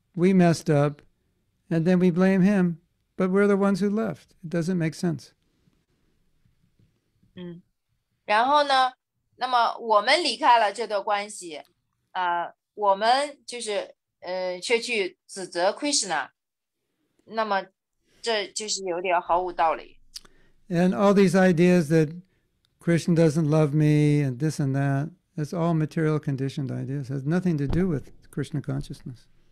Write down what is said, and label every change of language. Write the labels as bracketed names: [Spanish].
[English] We messed up, and then we blame him, but we're the ones who left. It doesn't make sense. [Chinese] 然后呢，那么我们离开了这段关系，我们却去指责 Krishna, 那么这就是有点毫无道理。 [English] And all these ideas that Krishna doesn't love me and this and that, it's all material conditioned ideas. It has nothing to do with Krishna consciousness.